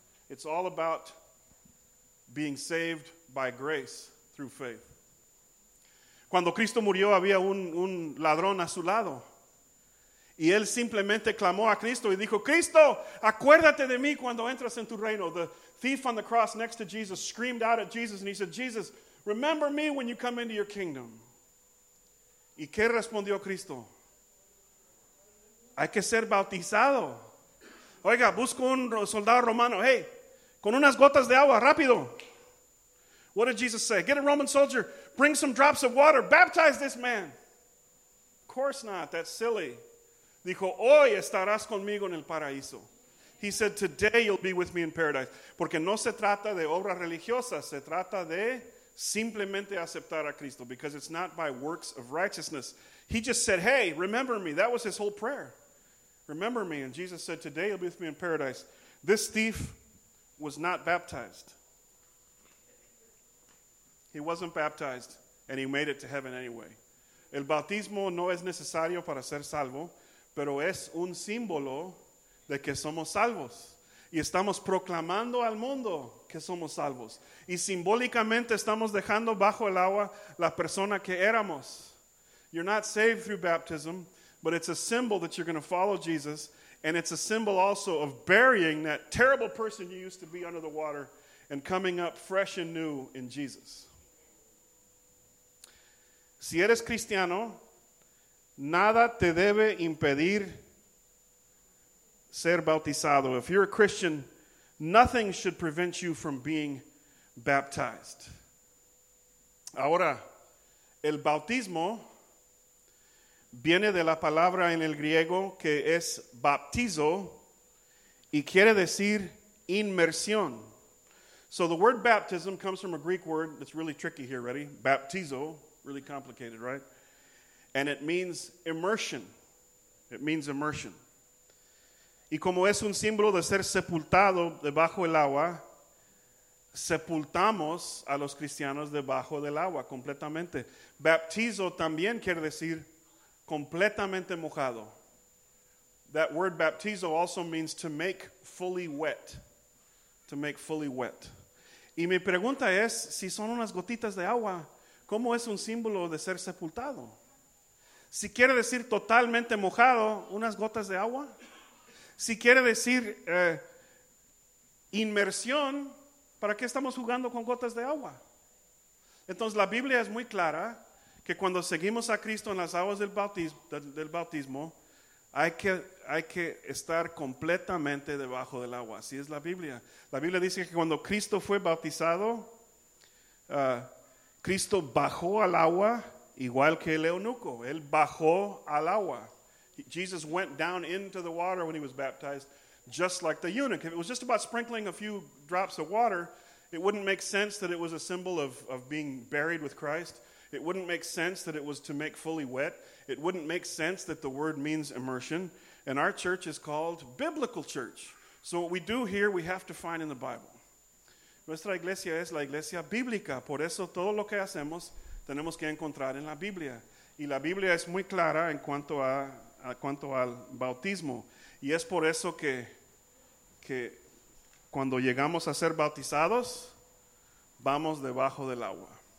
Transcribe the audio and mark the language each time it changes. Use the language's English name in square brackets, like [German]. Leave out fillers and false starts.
[English] It's all about being saved by grace through faith. [Spanish] Cuando Cristo murió, había un ladrón a su lado. Y él simplemente clamó a Cristo y dijo, Cristo, acuérdate de mí cuando entras en tu reino. [English] The thief on the cross next to Jesus screamed out at Jesus and he said, Jesus, remember me when you come into your kingdom. [Spanish] ¿Y qué respondió Cristo? Hay que ser bautizado. Oiga, busco un soldado romano. Hey, con unas gotas de agua, rápido. [English] What did Jesus say? Get a Roman soldier, bring some drops of water, baptize this man. Of course not, that's silly. [Spanish] Dijo, hoy estarás conmigo en el paraíso. [English] He said, today you'll be with me in paradise. [Spanish] Porque no se trata de obras religiosas, se trata de simplemente aceptar a Cristo, [English] because it's not by works of righteousness. He just said, hey, remember me. That was his whole prayer. Remember me. And Jesus said, today you'll be with me in paradise. This thief was not baptized. He wasn't baptized, and he made it to heaven anyway. [Spanish] El bautismo no es necesario para ser salvo, pero es un símbolo de que somos salvos. Y estamos proclamando al mundo que somos salvos. Y simbólicamente estamos dejando bajo el agua la persona que éramos. [English] You're not saved through baptism, but it's a symbol that you're going to follow Jesus. And it's a symbol also of burying that terrible person you used to be under the water and coming up fresh and new in Jesus. [Spanish] Si eres cristiano, nada te debe impedir ser bautizado. [English] If you're a Christian, nothing should prevent you from being baptized. [Spanish] Ahora, el bautismo viene de la palabra en el griego que es baptizo y quiere decir inmersión. [English] So the word baptism comes from a Greek word that's really tricky here, ready? Baptizo, really complicated, right? And it means immersion. It means immersion. [Spanish] Y como es un símbolo de ser sepultado debajo del agua, sepultamos a los cristianos debajo del agua completamente. Baptizo también quiere decir completamente mojado. [English] That word baptizo also means to make fully wet. To make fully wet. [Spanish] Y mi pregunta es, si son unas gotitas de agua, ¿cómo es un símbolo de ser sepultado? Si quiere decir totalmente mojado, unas gotas de agua. Si quiere decir inmersión, ¿para qué estamos jugando con gotas de agua? Entonces la Biblia es muy clara que cuando seguimos a Cristo en las aguas del bautismo, hay que estar completamente debajo del agua. Así es la Biblia. La Biblia dice que cuando Cristo fue bautizado, Cristo bajó al agua igual que el eunuco. Él bajó al agua. [English] Jesus went down into the water when he was baptized, just like the eunuch. If it was just about sprinkling a few drops of water, it wouldn't make sense that it was a symbol of being buried with Christ. It wouldn't make sense that it was to make fully wet. It wouldn't make sense that the word means immersion. And our church is called Biblical Church. So what we do here, we have to find in the Bible. [Spanish] Nuestra iglesia es la iglesia bíblica. Por eso todo lo que hacemos, tenemos que encontrar en la Biblia. Y la Biblia es muy clara en cuanto al bautismo. Y es por eso que cuando llegamos a ser bautizados, vamos debajo del agua.